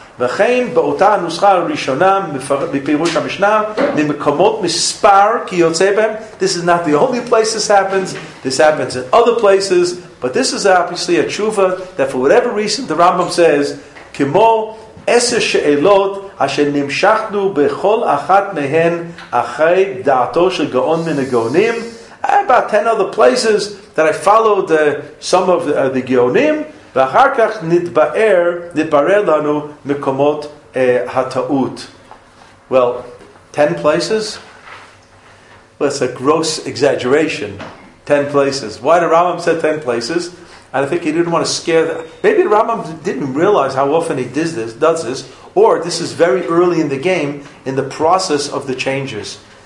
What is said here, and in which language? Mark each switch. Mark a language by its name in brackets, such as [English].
[Hebrew] וכן באותה הנוסחה הראשונה בפירוש המשנה ממקומות מספר כי יוצא בהם. [English] This is not the only place this happens. This happens in other places. But this is obviously a tshuva that for whatever reason the Rambam says [Hebrew] כמו עשר שאלות אשר נמשכנו בכל אחת מהן אחרי דעתו של גאון מן הגאונים. [English] About 10 other places that I followed some of the גאונים. [Hebrew] ואחר כך נתברר לנו מקומות הטעות. [English] Well, 10 places? Well, it's a gross exaggeration. 10 places. Why did Rambam say 10 places? And I think he didn't want to scare them. Maybe Rambam didn't realize how often he does this, or this is very early in the game, in the process of the changes.